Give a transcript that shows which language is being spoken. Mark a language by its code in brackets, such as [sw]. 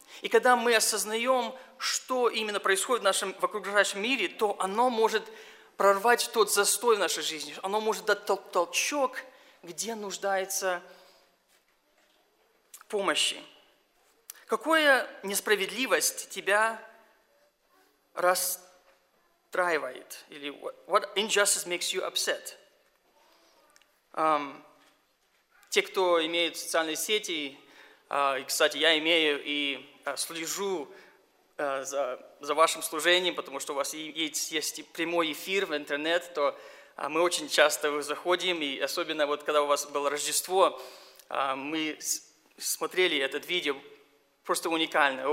[ru] И когда мы осознаем, что именно происходит в нашем в окружающем мире, то оно может прорвать тот застой в нашей жизни, оно может дать толчок, где нуждается помощи. Какая несправедливость тебя расстраивает? Или [en] what injustice makes you upset? [ru] Те, кто имеют социальные сети, и, кстати, я имею и слежу за вашим служением, потому что у вас есть прямой эфир в интернет, то мы очень часто заходим, и особенно вот когда у вас было Рождество, мы смотрели этот видео, просто уникально.